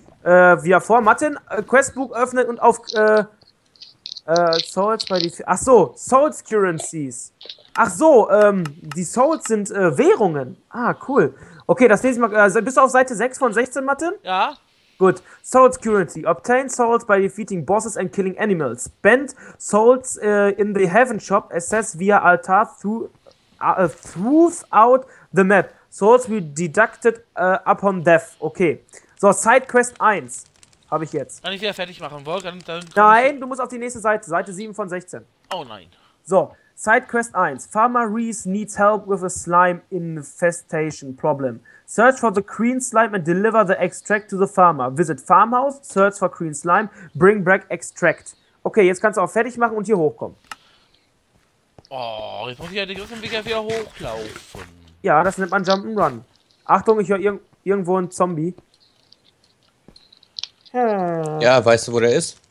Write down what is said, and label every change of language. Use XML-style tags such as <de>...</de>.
<de>Wieder vor, Martin, Questbook öffnen und auf, Souls bei die, ach so, Souls Currencies. Ach so, die Souls sind, Währungen. Ah, cool. Okay, das lese ich mal, bist du auf Seite 6 von 16, Martin? Ja. Gut. Souls Currency.</de> <en>Obtain Souls by defeating bosses and killing animals. Spend Souls, in the Heaven Shop. Assess via Altar throughout the map. Souls will deducted, upon death. Okay.</en> <de>So, Sidequest 1 habe ich jetzt. Kann ich wieder fertig machen wollen? Nein, du musst auf die nächste Seite, Seite 7 von 16. Oh nein. So, Sidequest 1.</de> <en>Farmer Reese needs help with a slime infestation problem. Search for the green slime and deliver the extract to the farmer. Visit farmhouse, search for green slime, bring back extract.</en> <de>Okay, jetzt kannst du auch fertig machen und hier hochkommen. Oh, jetzt muss ich ja den ganzen Weg wieder hochlaufen. Ja, das nennt man Jump'n'Run. Achtung, ich höre irgendwo einen Zombie. Ja, weißt du, wo der ist?</de>